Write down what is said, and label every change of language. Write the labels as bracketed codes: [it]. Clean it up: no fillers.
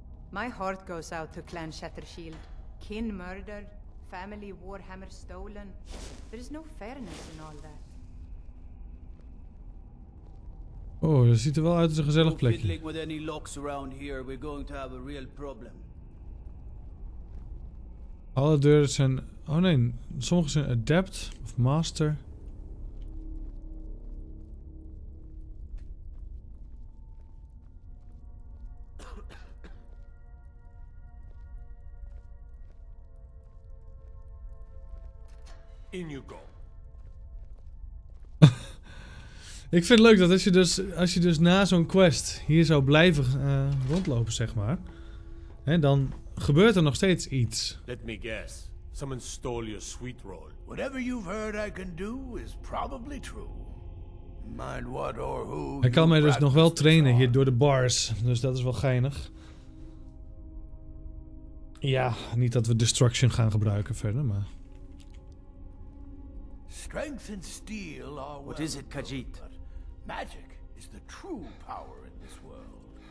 [en] My heart goes out to Clan Shattershield. Kin murdered, family Warhammer stolen. There is no fairness in all that. [nl] Oh, dat ziet er wel uit als een gezellig plekje. [en] Fiddling with any locks around here, we're going to have a real problem. [nl] Alle deuren zijn... Oh nee, sommige zijn adept of master. [en] In you go. [nl] Ik vind het leuk dat als je dus na zo'n quest hier zou blijven rondlopen, zeg maar. Hè, dan gebeurt er nog steeds iets. [en] Let me guess. Someone stole your sweet roll. Whatever you've heard I can do is probably true. Mind what or who. [nl] Hij kan mij dus nog wel trainen hier door de bars. Dus dat is wel geinig. Ja, niet dat we destruction gaan gebruiken verder, maar. [en] Strength and steel are well. What is it, Khajiit? Magic is the true power in this world.